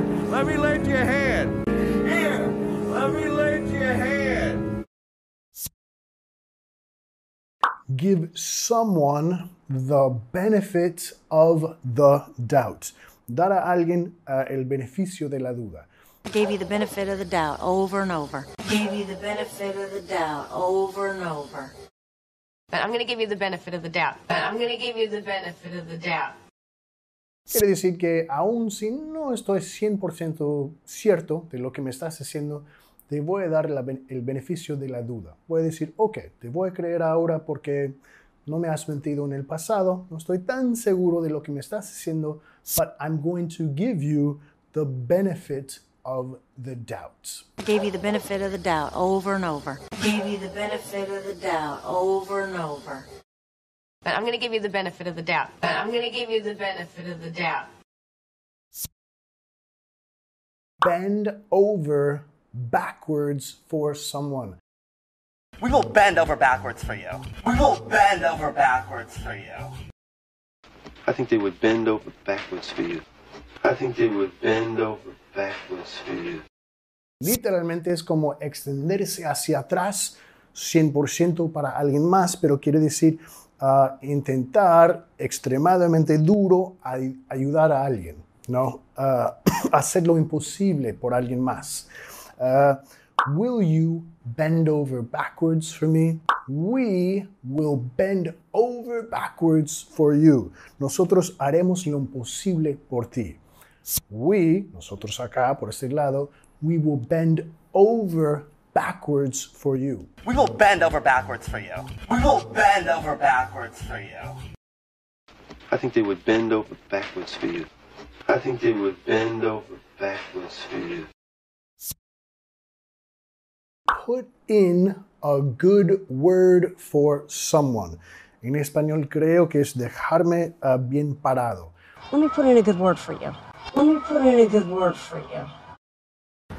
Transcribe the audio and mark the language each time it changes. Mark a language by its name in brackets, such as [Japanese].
[English] Let me lend you a hand. Here, let me lend you a hand. Give someone the benefit of the doubt. [Spanish] Dar a alguien el beneficio de la duda. [English] I gave you the benefit of the doubt over and over. Gave you the benefit of the doubt over and over. But I'm going to give you the benefit of the doubt. But I'm going to give you the benefit of the doubt. [Spanish] Quiere decir que aun si no estoy 100% cierto de lo que me estás haciendo, te voy a dar el beneficio de la duda. Voy a decir, ok, te voy a creer ahora porque no me has mentido en el pasado, no estoy tan seguro de lo que me estás haciendo, [English] but I'm going to give you the benefit of the doubt. Gave you the benefit of the doubt over and over. Gave you the benefit of the doubt over and over. But I'm going to give you the benefit of the doubt. But I'm going to give you the benefit of the doubt. Bend over backwards for someone. We will bend over backwards for you. We will bend over backwards for you. I think they would bend over backwards for you. I think they would bend over backwards for you. [Spanish] Literalmente es como extenderse hacia atrás 100% para alguien más, pero quiere decir intentar extremadamente duro ayudar a alguien, ¿no? Hacer lo imposible por alguien más. [English] Will you bend over backwards for me? We will bend over backwards for you. [Spanish] Nosotros haremos lo imposible por ti. We, nosotros acá por este lado, [English] we will bend over backwards for you. We will bend over backwards for you. We will bend over backwards for you. I think they would bend over backwards for you. I think they would bend over backwards for you. Put in a good word for someone. [Spanish] En español creo que es dejarme bien parado. [English] Let me put in a good word for you. Let me put in a good word for you.